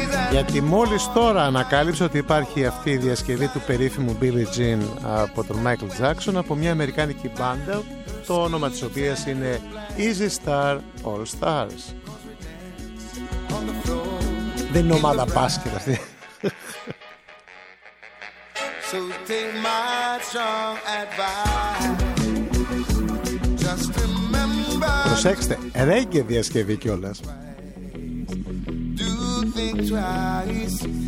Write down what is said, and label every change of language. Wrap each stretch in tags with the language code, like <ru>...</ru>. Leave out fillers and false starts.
<el>Γιατί μόλις τώρα ανακάλυψε ότι υπάρχει αυτή η διασκευή του περίφημου Billie Jean από τον Michael Jackson, από μια αμερικάνικη μπάντα, το όνομα της οποίας είναι Easy Star All Stars. Δεν είναι ομάδα μπάσκετ αυτή.</el> <en>So take my strong advice. Just remember.</en> <el>Προσέξτε, ρέγγε διασκευή κιόλας.</el> <en>Do think twice.</en>